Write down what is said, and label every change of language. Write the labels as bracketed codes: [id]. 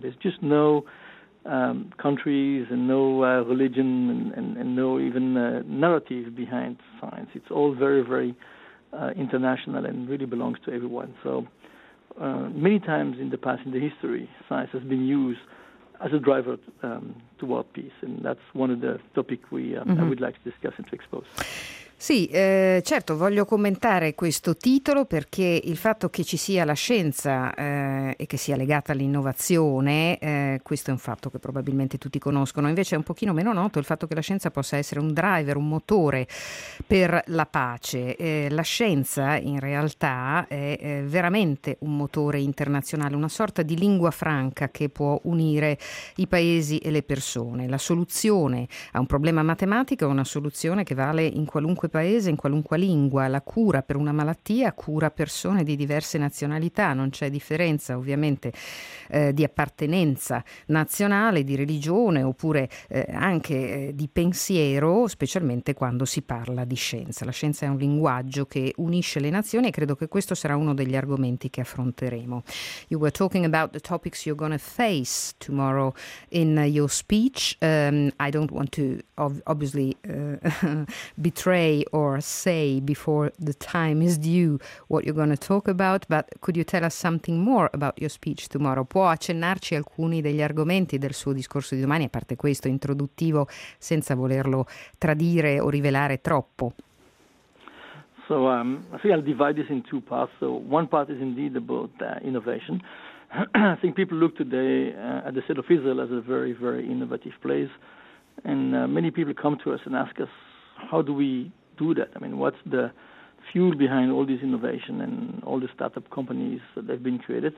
[en] There's just no countries and no religion and no even narrative behind science. It's all very, very international and really belongs to everyone. So many times in the past, in the history, science has been used as a driver toward peace, and that's one of the topics I would like to discuss and to expose. [it] Sì, certo, voglio commentare questo titolo perché il fatto che ci sia la scienza e che sia legata all'innovazione, questo è un fatto che probabilmente tutti conoscono. Invece è un pochino meno noto il fatto che la scienza possa essere un driver, un motore per la pace. La scienza in realtà è veramente un motore internazionale, una sorta di lingua franca che può unire i paesi e le persone. La soluzione a un problema matematico è una soluzione che vale in qualunque paese, in qualunque lingua. La cura per una malattia cura persone di diverse nazionalità, non c'è differenza ovviamente di appartenenza nazionale, di religione oppure anche di pensiero, specialmente quando si parla di scienza. La scienza è un linguaggio che unisce le nazioni e credo che questo sarà uno degli argomenti che affronteremo. [en] You were talking about the topics you're going to face tomorrow in your speech. I don't want to obviously betray or say before the time is due what you're going to talk about, but could you tell us something more about your speech tomorrow? [it] Può accennarci alcuni degli argomenti del suo discorso di domani, a parte questo introduttivo, senza volerlo tradire o rivelare troppo? [en] So I think I'll divide this in two parts. So one part is indeed about innovation. I think people look today at the state of Israel as a very, very innovative place, and many people come to us and ask us, how do we do that? I mean, what's the fuel behind all this innovation and all the startup companies that have been created?